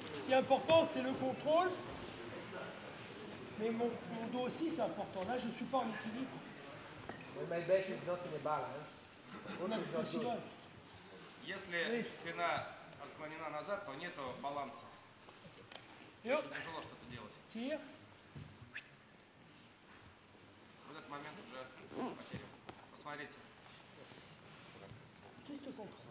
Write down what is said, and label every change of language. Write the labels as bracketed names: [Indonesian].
[French] Important, c'est le contrôle, mais mon dos aussi c'est important. Là, je suis pas en équilibre. [English] Well, my back is not in the balance. [French] On a le possible. [Russian] Если спина отклонена назад, то нету баланса. Yep. Тяжело что-то делать. Тир. В этот момент уже потерял. Посмотрите. Чисто контроль.